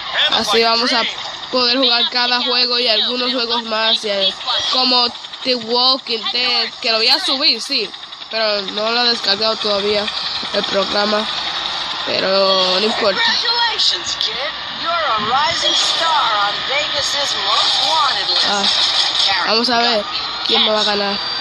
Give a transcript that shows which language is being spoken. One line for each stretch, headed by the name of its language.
Spanish: Así vamos a poder jugar cada juego y algunos juegos más, como The Walking Dead, que lo voy a subir, sí, pero no lo he descargado todavía el programa, pero no importa.
English: Congratulations, kid. You're a rising star on Vegas's most wanted list.
Spanish: Ah, vamos a ver quién me va a ganar.